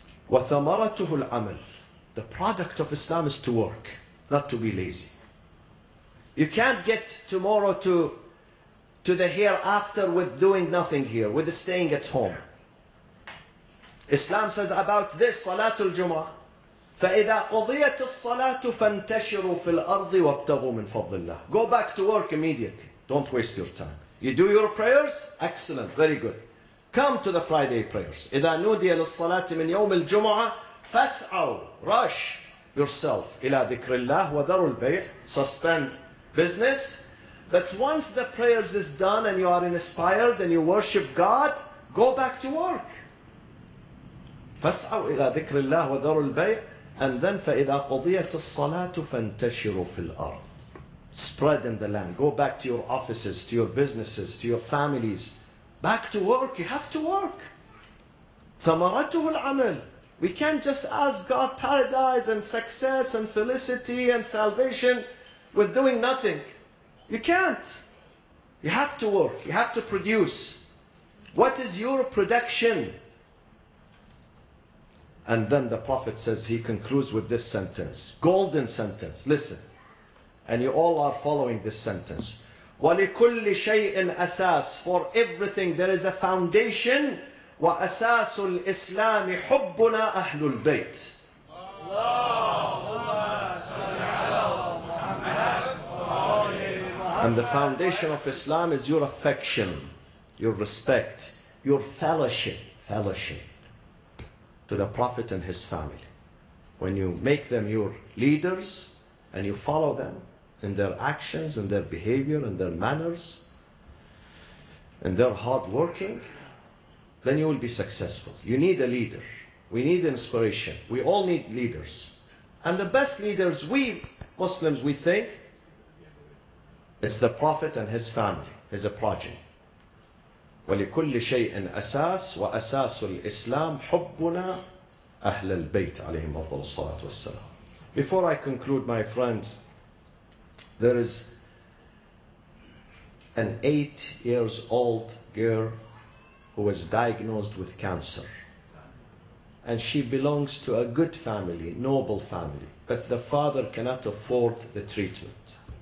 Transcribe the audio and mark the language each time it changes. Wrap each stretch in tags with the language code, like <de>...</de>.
<ar>وَثَمَرَتُهُ الْعَمَلِ.</ar> <en>The product of Islam is to work, not to be lazy. You can't get tomorrow to the hereafter with doing nothing here, with staying at home. Islam says about this,</en> <ar>Salatul Jum'ah, فَإِذَا قُضِيَتِ الصَّلَاةُ فَانْتَشِرُوا فِي الْأَرْضِ وَابْتَغُوا مِنْ فَضْلِ اللَّهِ.</ar> <en>Go back to work immediately. Don't waste your time. You do your prayers? Excellent. Very good. Come to the Friday prayers.</en> <ar>إذا نودي للصلاة من يوم الجمعة فاسعوا.</ar> <en>Rush yourself</en> <ar>إلى ذكر الله وذروا البيع.</ar> <en>Suspend business. But once the prayers is done and you are inspired and you worship God, go back to work.</en> <ar>فاسعوا إلى ذكر الله وذروا البيع.</ar> <en>And then</en> <ar>فإذا قضيت الصلاة فانتشروا في الأرض.</ar> <en>Spread in the land. Go back to your offices, to your businesses, to your families. Back to work. You have to work.</en> <ar>ثمرته العمل.</ar> <en>We can't just ask God paradise and success and felicity and salvation with doing nothing. You can't. You have to work. You have to produce. What is your production? And then the prophet says, he concludes with this sentence. Golden sentence. Listen. And you all are following this sentence.</en> <ar>وَلِكُلِّ شَيْءٍ أَسَاسٍ.</ar> <en>For everything there is a foundation.</en> <ar>وَأَسَاسُ الْإِسْلَامِ حُبُّنَا أَهْلُ الْبَيْتِ. اللهم صل على محمد وعلى محمد.</ar> <en>And the foundation of Islam is your affection, your respect, your fellowship. Fellowship to the Prophet and his family. When you make them your leaders and you follow them in their actions, in their behavior, in their manners, in their hard working, then you will be successful. You need a leader. We need inspiration. We all need leaders. And the best leaders, we Muslims, we think, it's the Prophet and his family, his progeny.</en> <ar>وَلِكُلِّ شَيْءٍ أَسَاسٍ وَأَسَاسُ الْإِسْلَامِ حُبُّنَا أَهْلَ الْبَيْتِ عليهم أفضل الصلاة والسلام.</ar> <en>Before I conclude, my friends, there is an 8-year-old girl who was diagnosed with cancer. And she belongs to a good family, noble family, but the father cannot afford the treatment.</en>